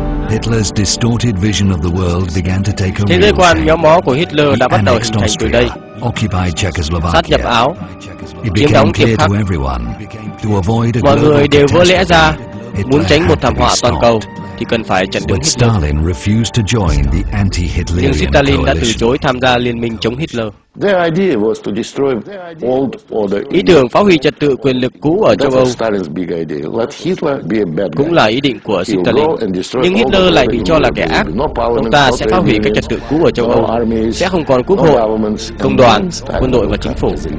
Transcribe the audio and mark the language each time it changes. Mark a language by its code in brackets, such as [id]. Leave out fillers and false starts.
[en] Hitler's distorted vision of the world began to take a real shape. [vi] Thế giới quan méo mó của Hitler đã bắt đầu hình thành từ đây. [en] Occupied Czechoslovakia. [vi] Sát nhập Áo. [en] It became clear to everyone to avoid a global catastrophe. [vi] Muốn tránh một thảm họa toàn cầu thì cần phải chặn đứng Hitler. [en] Stalin refused to join the anti-Hitlerian coalition. [vi] Nhưng Stalin đã từ chối tham gia liên minh chống Hitler. [en] Their idea was to destroy old order. [vi] Ý tưởng phá hủy trật tự quyền lực cũ ở châu Âu. [en] Stalin's big idea. Let Hitler be a bad guy. [vi] Cũng là ý định của Stalin. Nhưng Hitler lại bị cho là kẻ ác. Chúng ta sẽ phá hủy các trật tự cũ ở châu Âu. Sẽ không còn quốc hội, công đoàn, quân đội và chính phủ.